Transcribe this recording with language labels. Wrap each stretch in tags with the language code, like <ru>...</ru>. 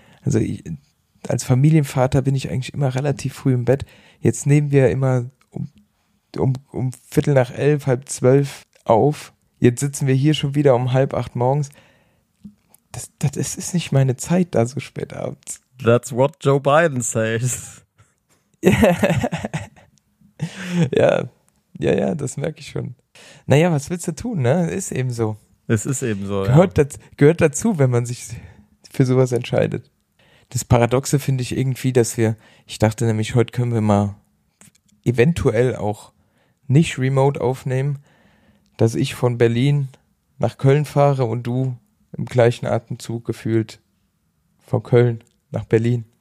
<de>Also ich, als Familienvater bin ich eigentlich immer relativ früh im Bett. Jetzt nehmen wir immer um 22:45, 23:30 auf. Jetzt sitzen wir hier schon wieder um 7:30 morgens. Das ist nicht meine Zeit, da so spät abends.</de> <en>That's what Joe Biden says.</en> <de>Ja, ja, ja, das merke ich schon. Naja, was willst du tun, ne? Ist eben so. Es ist eben so, gehört, ja. Gehört dazu, wenn man sich für sowas entscheidet. Das Paradoxe finde ich irgendwie, dass wir, ich dachte nämlich, heute können wir mal eventuell auch nicht remote aufnehmen, dass ich von Berlin nach Köln fahre und du im gleichen Atemzug gefühlt von Köln nach Berlin.</de>